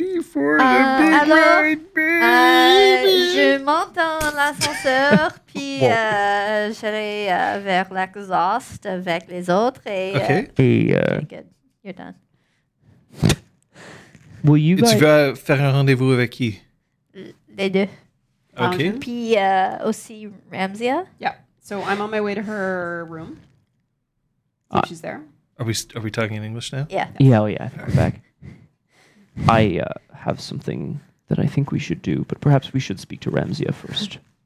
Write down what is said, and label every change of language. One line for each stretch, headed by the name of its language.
English: Ready for the big ride, baby.
French: Je monte dans l'ascenseur. Puis j'allais vers l'exhaust avec les autres. Et,
English: okay, good. You're done. Will you guys...
French: Tu vas faire un rendez-vous avec qui? Les deux.
English: Okay.
French: Puis aussi Ramsia.
English: Yeah. So I'm on my way to her room. So she's there. Are we talking in English now? Yeah. Yeah, oh yeah. We're back. I have something that I think we should do, but perhaps we should speak to Ramsia first.